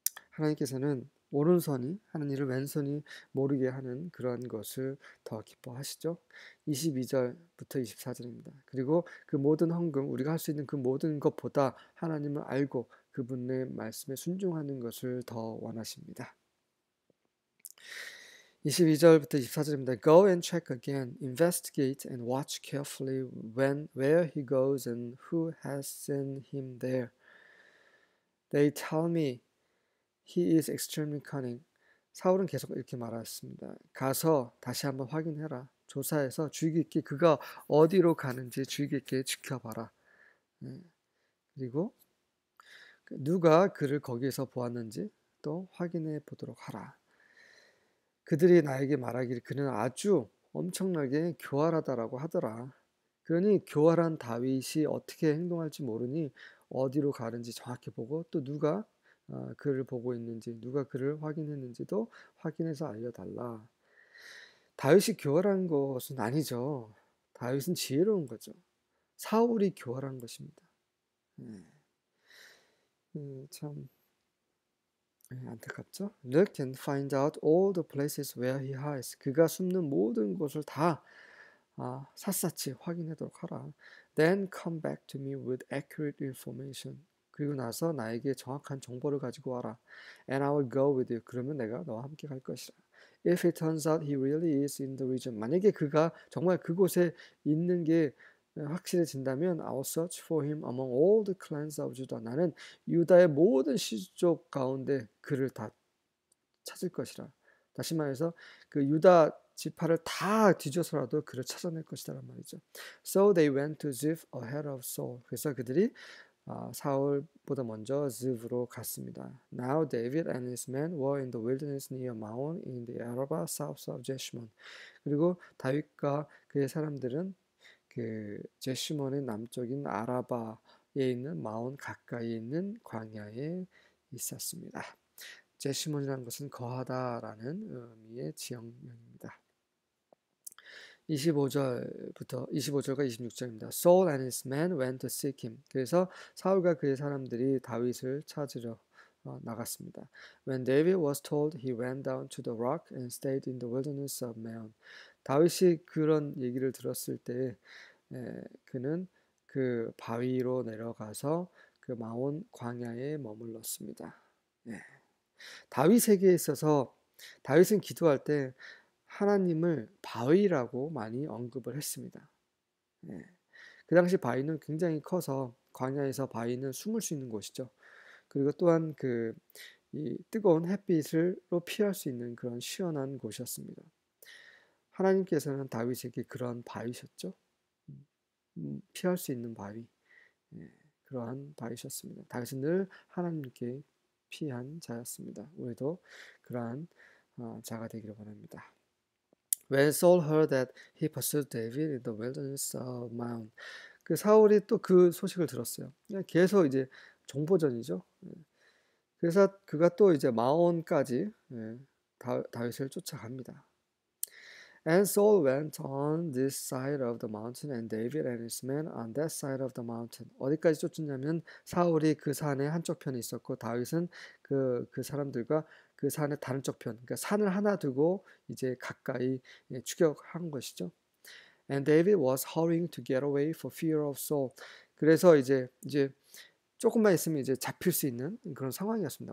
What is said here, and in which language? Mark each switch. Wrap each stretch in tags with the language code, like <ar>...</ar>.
<ko>하나님께서는 오른손이 하는 일을 왼손이 모르게 하는 그러한 것을 더 기뻐하시죠. 22절부터 24절입니다. 그리고 그 모든 헌금, 우리가 할수 있는 그 모든 것보다 하나님을 알고 그분의 말씀에 순종하는 것을 더 원하십니다. 22절부터 24절입니다.</ko> <en>Go and check again, investigate and watch carefully when, where he goes and who has sent him there. They tell me he is extremely cunning.</en> <ko>사울은 계속 이렇게 말했습니다. 가서 다시 한번 확인해라. 조사해서 주의 깊게 그가 어디로 가는지 주의 깊게 지켜봐라. 그리고 누가 그를 거기에서 보았는지 또 확인해 보도록 하라. 그들이 나에게 말하기를 그는 아주 엄청나게 교활하다라고 하더라. 그러니 교활한 다윗이 어떻게 행동할지 모르니 어디로 가는지 정확히 보고 또 누가 그를 보고 있는지 누가 그를 확인했는지도 확인해서 알려달라. 다윗이 교활한 것은 아니죠. 다윗은 지혜로운 거죠. 사울이 교활한 것입니다. 참. 안타깝죠?</ko> <en>Look and find out all the places where he hides.</en> <ko>그가 숨는 모든 곳을 다 샅샅이 확인하도록 하라.</ko> <en>Then come back to me with accurate information.</en> <ko>그리고 나서 나에게 정확한 정보를 가지고 와라.</ko> <en>And I will go with you.</en> <ko>그러면 내가 너와 함께 갈 것이라.</ko> <en>If it turns out he really is in the region.</en> <ko>만약에 그가 정말 그곳에 있는 게 확실히 진다면</ko> <en>I'll search for him among all the clans of Judah.</en> <ko>나는 유다의 모든 씨족 가운데 그를 다 찾을 것이라. 다시 말해서 그 유다 지파를 다 뒤져서라도 그를 찾아낼 것이다란 말이죠.</ko> <en>So they went to Ziph ahead of Saul.</en> <ko>그래서 그들이 사울보다 먼저 Ziph로 갔습니다.</ko> <en>Now David and his men were in the wilderness near Maon in the Arabah south of Jeshimon.</en> <ko>그리고 다윗과 그의 사람들은 그 제시몬의 남쪽인 아라바에 있는 마온 가까이 있는 광야에 있었습니다. 제시몬이라는 것은 거하다라는 의미의 지역명입니다. 25절과 26절입니다.</ko> <en>Saul and his men went to seek him.</en> <ko>그래서 사울과 그의 사람들이 다윗을 찾으러 나갔습니다.</ko> <en>When David was told, he went down to the rock and stayed in the wilderness of Maon.</en> <ko>다윗이 그런 얘기를 들었을 때에 그는 그 바위로 내려가서 그 마온 광야에 머물렀습니다. 다윗에게 있어서 다윗은 기도할 때 하나님을 바위라고 많이 언급을 했습니다. 그 당시 바위는 굉장히 커서 광야에서 바위는 숨을 수 있는 곳이죠. 그리고 또한 그이 뜨거운 햇빛으로 피할 수 있는 그런 시원한 곳이었습니다. 하나님께서는 다윗에게 그런 바위셨죠. 피할 수 있는 바위, 그러한 바위셨습니다. 다윗은 늘 하나님께 피한 자였습니다. 우리도 그러한 자가 되기를 바랍니다.</ko> <en>When Saul heard that he pursued David in the wilderness of Maon,</en> <ko>그 사울이 또그 소식을 들었어요. 계속 이제 정보전이죠. 그래서 그가 또 이제 마온까지 다윗을 쫓아갑니다.</ko> <en>And Saul went on this side of the mountain, and David and his men on that side of the mountain.</en> <ko>어디까지 쫓았냐면 사울이 그 산의 한쪽 편에 있었고 다윗은 그 사람들과 그 산의 다른 쪽 편, 그러니까 산을 하나 두고 이제 가까이 추격한 것이죠.</ko> <en>And David was hurrying to get away for fear of Saul.</en> <ko>그래서 이제 조금만 있으면 이제 잡힐 수 있는 그런 상황이었습니다.</ko>